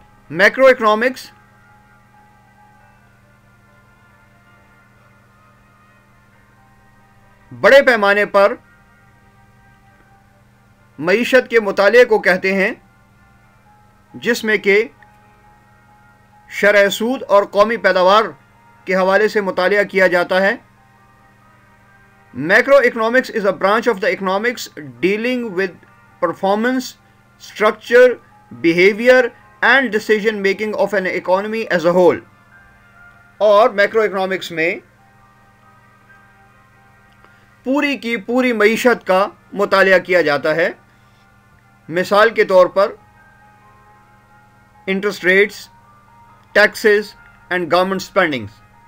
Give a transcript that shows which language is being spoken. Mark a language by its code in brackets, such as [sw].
[ur] Macro economics بڑے پیمانے پر معیشت کے مطالعے کو کہتے ہیں, جس میں کہ شرع سود اور قومی پیداوار کے حوالے سے مطالعہ کیا جاتا ہے. [en] Macroeconomics is a branch of the economics dealing with performance, structure, behaviour and decision making of an economy as a whole. [ur] اور میکرو اکنامکس میں پوری کی پوری معیشت کا مطالعہ کیا جاتا ہے. مثال کے طور پر [en] Interest rates, taxes and government spendings.